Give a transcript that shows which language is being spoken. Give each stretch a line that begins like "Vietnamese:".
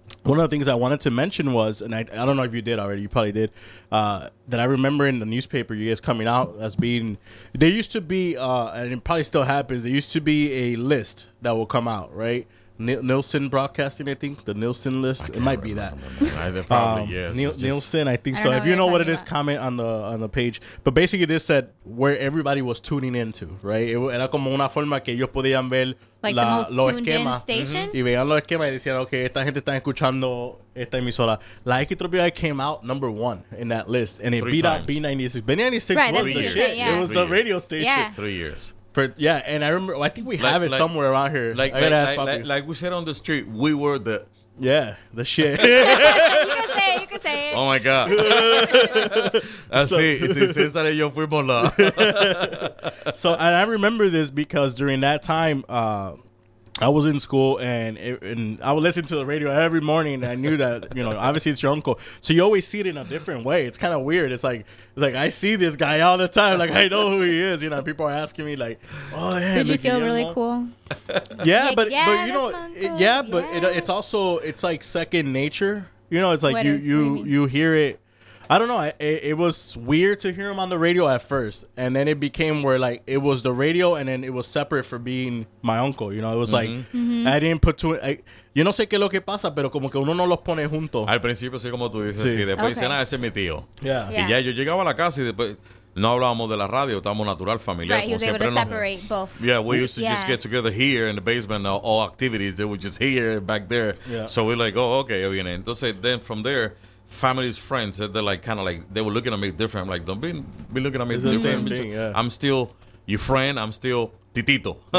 English: One of the things I wanted to mention was, and I don't know if you did already, you probably did, that I remember in the newspaper you guys coming out as being, there used to be, and it probably still happens, there used to be a list that will come out, right? Nielsen Broadcasting, I think, the Nielsen list. It might be that. Nielsen, I think so. If you know what it is, comment on the page. But basically, this said where everybody was tuning into, right?
Spanish: Era como una forma que ellos podían ver los esquemas.
English: Like the most tuned in station?
Spanish: Y veían los esquemas y decían,
English: okay,
Spanish: esta gente está escuchando esta emisora.
English: La XXXI came out number one in that list. And it beat out B96. B96 was the shit. It was the radio station. 3 years. And I remember, I think we have it somewhere around here. Like we said on the street, we were the... Yeah, the shit. you can say it. Oh, my God.
Spanish: César y yo fuimos la...
English: So, and I remember this because during that time, I was in school, and I would listen to the radio every morning. And I knew that, you know, obviously it's your uncle. So you always see it in a different way. It's kind of weird. It's like I see this guy all the time. Like, I know who he is. You know, people are asking me, like, oh, yeah. Did you feel really cool? Yeah, it's also, it's like second nature. You know, it's like you hear it. I don't know. It was weird to hear him on the radio at first. And then it became where, like, it was the radio and then it was separate for being my uncle. You know, it was I didn't put two.
Spanish: Yo no sé qué es lo que pasa, pero como que uno no los pone juntos. Al principio, sí, como tú dices. Sí. Después dice, nada, ese es mi tío.
English: Yeah.
Spanish: Y ya yo llegaba a la casa y después no hablábamos de la radio. Estábamos natural, familiar.
English: Right, he was able to separate both. Yeah, we used to just get together here in the basement. All activities, they were just here back there. Yeah. So we're like, oh, okay.
Spanish: Entonces,
English: then from there... Family's friends, they're like, kind of like, they were looking at me different. I'm like, don't be looking at me different. Same thing, I'm still your friend. I'm still Titito.